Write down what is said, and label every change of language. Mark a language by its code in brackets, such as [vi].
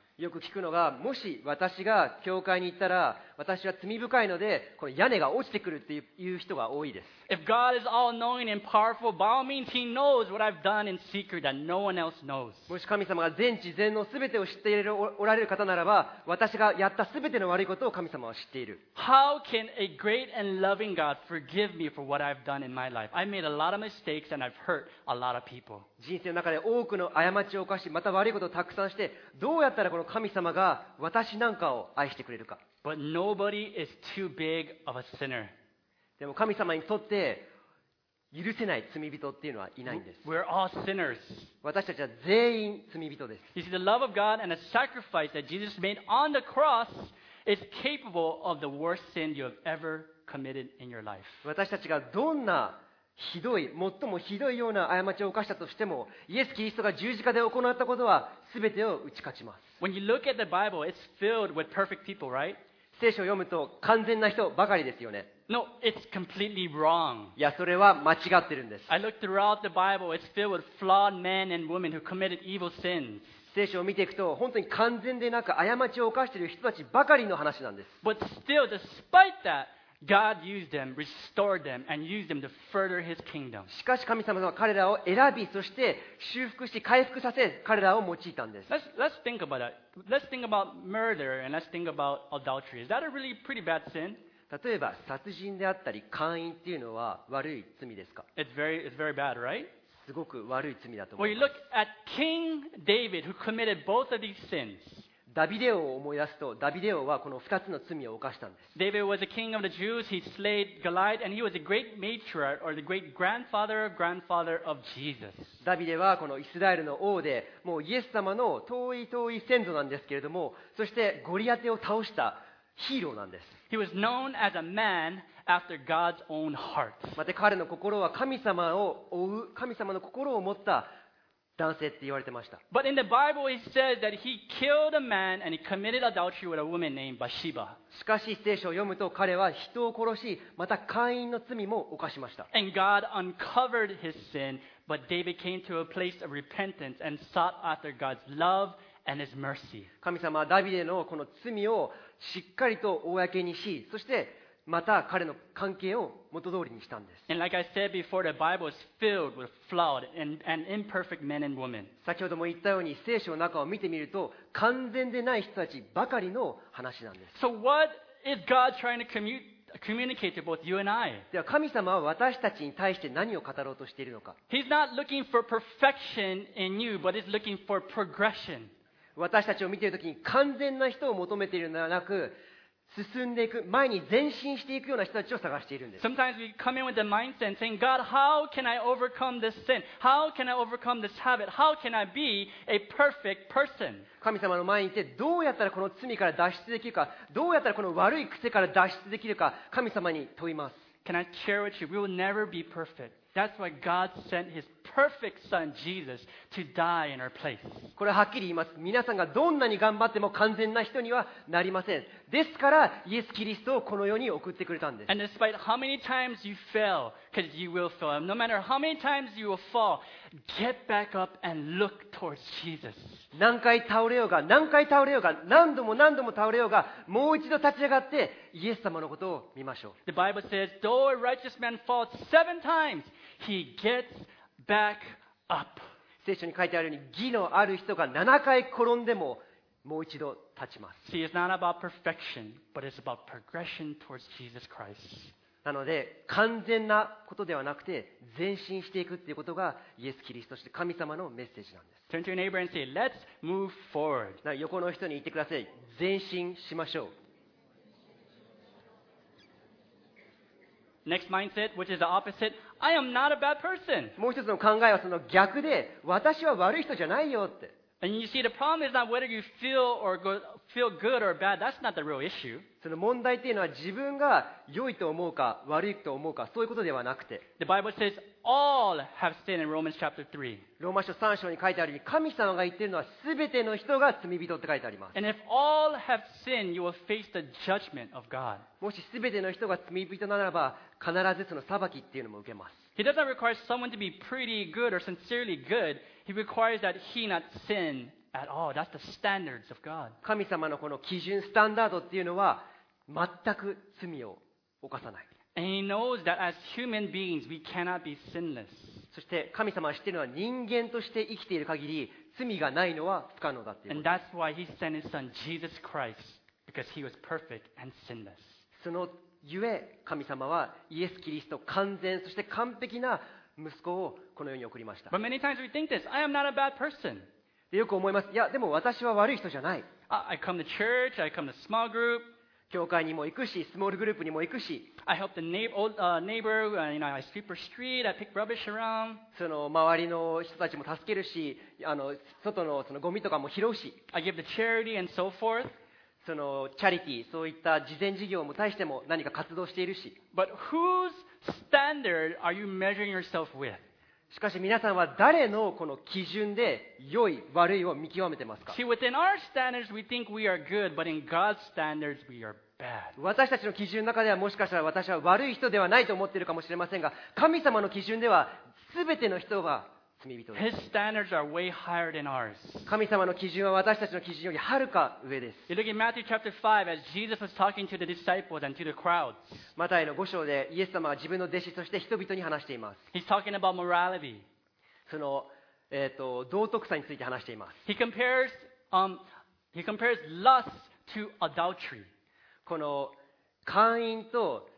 [ja] よく聞くのが、もし私が教会に行ったら、私は罪深いので、この屋根が落ちてくるっていう人が多いです。 [en] If God is all-knowing and powerful, by all means, He knows what I've done in secret that no one else knows. [ja] もし神様が全知全能すべてを知っているおられる方ならば、私がやったすべての悪いことを神様は知っている。 [en] How can a great and loving God forgive me for what I've done in my life? I've made a lot of mistakes and I've hurt a lot of people. [ja] 人生の中で多くの過ちを犯し、また悪いことをたくさんして、どうやったらこの神様が私なんかを愛してくれるか。 [en] But nobody is too big of a sinner. [ja] でも神様にとって許せない罪人っていうのはいないんです。 [en] We're all sinners. [ja] 私たちは全員罪人です。 [en] You see, the love of God and the sacrifice that Jesus made on the cross is capable of the worst sin you have ever committed in your life. [ja] 私たちがどんなひどい、最もひどいような過ちを犯したとしても、イエス・キリストが十字架で行ったことは全てを打ち勝ちます。 [en] When you look at the Bible, it's filled with perfect people, right? [ja] 聖書を読むと完全な人ばかりですよね。 [en] No, it's completely wrong. [ja] いや、それは間違ってるんです。 [en] I look throughout the Bible, it's filled with flawed men and women who committed evil sins. [ja] 聖書を見ていくと、本当に完全でなく過ちを犯している人たちばかりの話なんです。 [en] But still, despite that,God used them, restored them, and used them to further His kingdom. [ja] しかし神様は彼らを選び、そして修復し、回復させ、彼らを用いたんです。 [en] Let's think about that. Let's think about murder and let's think about adultery. Is that a really pretty bad sin? [ja] 例えば殺人であったり、姦淫っていうのは悪い罪ですか [en] ？It's very bad, right? [ja] すごく悪い罪だと思います。 [en] Well, you look at King David who committed both of these sins. [ja] ダビデ王を思い出すと、ダビデ王はこの2つの罪を犯したんです。 [en] David was the king of the Jews. He slayed Goliath, and he was the great matriarch or the great grandfather of grandfather of Jesus. [ja] ダビデはこのイスラエルの王で、もうイエス様の遠い遠い先祖なんですけれども、そしてゴリアテを倒したヒーローなんです。 [en] He was known as a man after God's own heart. [ja] また彼の心は神様を追う、神様の心を持った男性って言われてました。 [en] But in the Bible, it says that he killed a man and he committed adultery with a woman named Bathsheba. [ja] しかし聖書を読むと彼は人を殺し、また姦淫の罪も犯しました。 [en] And God uncovered his sin, but David came to a place of repentance and sought after God's love and His mercy. [ja] 神様はダビデのこの罪をしっかりと公にし、そしてまた彼の関係を元通りにしたんです。 [en] And like I said before, the Bible is filled with flawed and imperfect men and women. [ja] 先ほども言ったように、聖書の中を見てみると、完全でない人たちばかりの話なんです。 [en] So what is God trying to communicate to both you and I? [ja] では神様は私たちに対して何を語ろうとしているのか。 [en] He's not looking for perfection in you, but he's looking for progression. [ja] 私たちを見ているときに完全な人を求めているのではなく、進んでいく、前に前進していくような人たちを探しているんです。 [en] Sometimes we come in with the mindset saying, God, how can I overcome this sin? How can I overcome this habit? How can I be a perfect person? [ja] 神様の前にいて、どうやったらこの罪から脱出できるか、どうやったらこの悪い癖から脱出できるか、神様に問います。 [en] Can I share with you? We will never be perfect. That's why God sent His perfect Son, Jesus, to die in our place. [ja] これははっきり言います。皆さんがどんなに頑張っても完全な人にはなりません。ですから、イエス・キリストをこの世に送ってくれたんです。 [en] And despite how many times you fail, because you will fail, no matter how many times you will fall, get back up and look towards Jesus. [ja] 何回倒れようが、何回倒れようが、何度も何度も倒れようが、もう一度立ち上がって、イエス様のことを見ましょう。 [en] The Bible says, though a righteous man falls seven times, he gets back up. [ja] 聖書に書いてあるように、義のある人が7回転んでも、もう一度立ちます。 [en] See, it's not about perfection, but it's about progression towards Jesus Christ. [ja] なので、完全なことではなくて、前進していくということが、イエス・キリストとして神様のメッセージなんです。 [en] Turn to your neighbor and say, let's move forward. [ja] 横の人に言ってください。前進しましょう。 [en] Next mindset, which is the opposite, I am not a bad person. [ja] もう一つの考えはその逆で、私は悪い人じゃないよって。 [en] And you see, the problem is not whether you feel good or bad. That's not the real issue. [ja] その問題っていうのは自分が良いと思うか悪いと思うかそういうことではなくて。 [en] The Bible says all have sinned in Romans chapter 3. [ja] ローマ書3章に書いてあるように神様が言っているのは全ての人が罪人って書いてあります。 [en] And if all have sinned, you will face the judgment of God. [ja] もし全ての人が罪人ならば必ずその裁きっていうのも受けます。 [en] He doesn't require someone to be pretty good or sincerely good. He requires that he not sin at all. That's the standards of God. [ja] 神様のこの基準、スタンダードっていうのは全く罪を犯さない。 [en] And he knows that as human beings, we cannot be sinless. [ja] そして神様は知っているのは人間として生きている限り罪がないのは不可能だっていう。 [en] And that's why he sent his son Jesus Christ, because he was perfect and sinless. [ja] そのゆえ神様はイエス・キリスト完全そして完璧な息子をこの世に送りました。 [en] But many times we think this, I am not a bad person. [ja] でよく思います。いやでも私は悪い人じゃない。 [en] I come to church, I come to small group. [ja] 教会にも行くし、スモールグループにも行くし。 [en] I help the neighbor, you know, I sweep the street, I pick rubbish around. [ja] その周りの人たちも助けるし、外のそのゴミとかも拾うし。 [en] I give the charity and so forth. [ja] そのチャリティーそういった慈善事業も対しても何か活動しているし。 [en] But whose standard are you measuring yourself with? [ja] しかし皆さんは誰のこの基準で良い悪いを見極めてますか? [en] See, within our standards, we think we are good, but in God's standards, we are bad. [ja] 私たちの基準の中ではもしかしたら私は悪い人ではないと思っているかもしれませんが、神様の基準では全ての人は [en] His standards are way higher than ours. [ja] 神様の基準は私たちの基準よりはるか上です。 [en] You look at Matthew chapter 5 as Jesus was talking to the disciples and to the crowds. [ja] マタイの5章でイエス様は自分の弟子として人々に話しています。 [en] He's talking about morality. [ja] その、道徳さについて話しています。 [en] He compares lust to adultery. [ja] この姦淫と